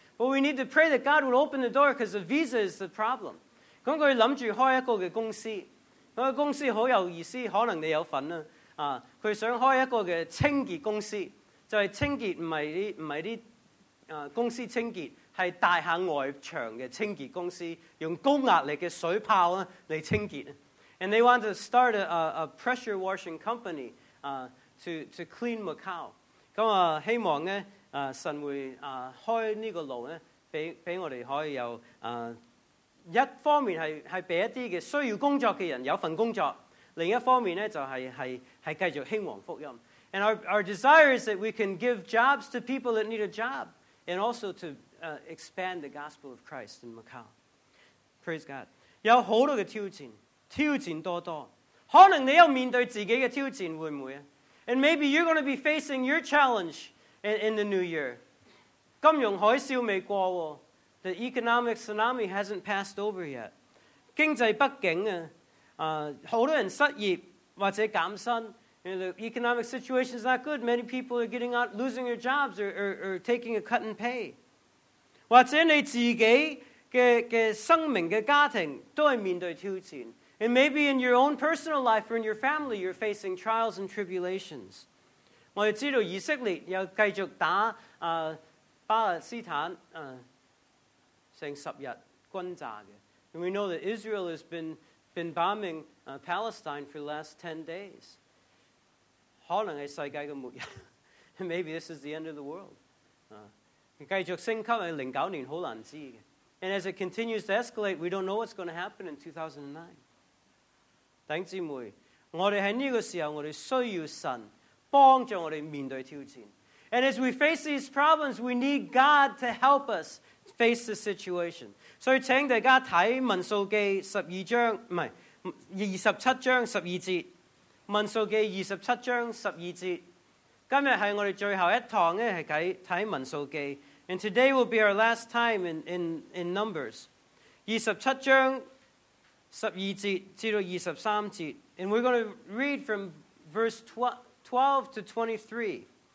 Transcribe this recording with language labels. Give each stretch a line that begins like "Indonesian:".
English: But we need to pray that God will open the door because the visa is the problem。
Cantonese: 咁佢諗住開一個嘅公司，嗰個公司好有意思，可能你有份啦。佢想開一個嘅清潔公司，就係清潔，唔係啲公司清潔，是大廈外牆的清潔公司，用高壓力的水炮來清潔。
English: And they want to start a pressure washing company to clean Macau.
Cantonese: 咁啊，希望咧，神會開呢個路咧，俾我哋可以有一方面係俾一啲嘅需要工作嘅人有份工作，另一方面咧就係繼續興旺福音。
English: And our desire is that we can give jobs to people that need a job, and also to expand the gospel of Christ in Macau. Praise God.
Cantonese: 有好多嘅挑戰。挑戰多多，可能你要面對自己的挑戰，會不會？
English: And maybe you're going to be facing your challenge in the new year.
Cantonese: 金融海嘯未過哦，
English: the economic tsunami hasn't passed over yet.
Cantonese: 經濟不景啊，好多人失業或者減薪，
English: you know, the economic situation is not good. Many people are getting out, losing their jobs or taking a cut in pay.
Cantonese: 或者你自己的生命的家庭都是面對挑戰。
English: And maybe in your own personal life or in your family, you're facing trials and tribulations.
Cantonese: 我們知道以色列又繼續打巴勒斯坦成十日軍炸的。
English: And we know that Israel has been bombing Palestine for the last 10 days.
Cantonese: 可能是世界的末日。
English: And maybe this is the end of the world.
Cantonese: 繼續升級是09年很難知的。
English: And as it continues to escalate, we don't know what's going to happen in 2009.
Cantonese: 弟兄姊妹，我哋喺呢个时候，我哋需要神帮助我哋面对挑战。
English: And as we face these problems, we need God to help us face the situation.
Cantonese: 所以请大家睇民数记十二章，唔系二十七章十二节。民数记二十七章十二节，今日系我哋最后一堂咧，系睇民数记。
English: And today will be our last time in Numbers.
Cantonese: 二十七章。十二節至到二十三節，
English: and we're going to read from verse 12 to 23.